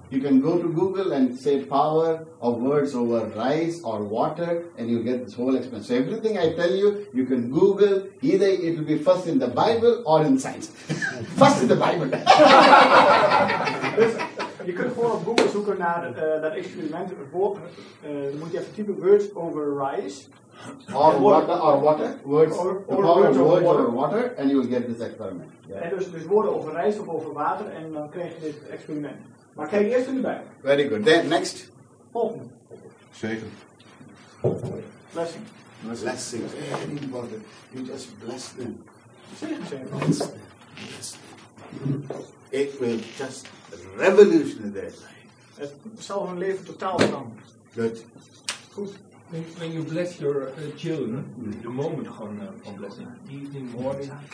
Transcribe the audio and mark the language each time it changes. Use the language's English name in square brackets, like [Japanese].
[English] You can go to Google and say power of words over rice or water and you get this whole experience. So everything I tell you, you can Google, either it will be first in the Bible or in science. First in the Bible. [Dutch] Je kunt gewoon op Google zoeken naar dat experiment. Dan moet je even typen [English] words over rice. Or water. Words over water. And you will get this experiment. [Dutch] Yeah. En dus woorden over rice of over water. En dan krijg je dit experiment. Maar kijk eerst in de Bijbel. [English] Very good. Then next. [Dutch] Volgende. Zegen. [English] Blessing. Very important. You just bless them. [Dutch] Zegen. [English] It will just revolutionary their life. [Dutch] Het zal hun leven totaal veranderen. [English] Good. [Dutch] Goed. [English] When you bless your children, the moment van blessing, evening, morning.